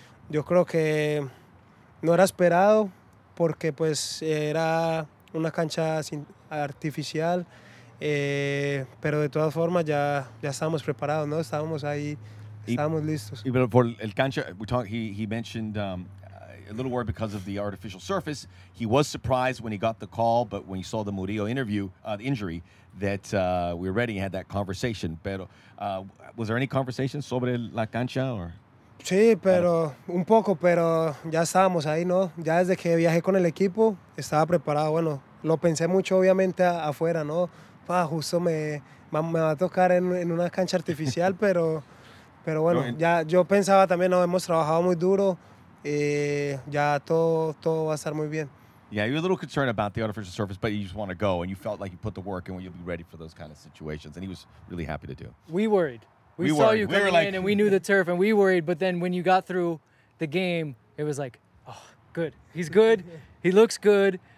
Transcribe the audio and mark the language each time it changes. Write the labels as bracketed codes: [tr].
[es] Yo creo que no era esperado porque pues era una cancha artificial. Pero de todas formas ya estábamos preparados, ¿no? Estábamos ahí, estábamos listos. Y por el cancha, [en] he mentioned a little worried because of the artificial surface. He was surprised when he got the call, but when he saw the Murillo interview, the injury, that we were ready and had that conversation. Pero, was there any conversation [es] sobre la cancha? [en] Or? [es] Sí, pero un poco, pero ya estábamos ahí, ¿no? Ya desde que viajé con el equipo, estaba preparado. Bueno, lo pensé mucho, obviamente, afuera, ¿no? Ah, justo me va a tocar en una cancha artificial, pero bueno, ya yo pensaba también, ¿no? Hemos trabajado muy duro. Ya todo va a estar muy bien. [en] Yeah, you're a little concerned about the artificial surface, but you just want to go, and you felt like you put the work in when you'll be ready for those kind of situations, and he was really happy to do. We worried. We saw you coming in, and we knew the turf, and we worried, but then when you got through the game, it was like, oh, good. He's good. He looks good.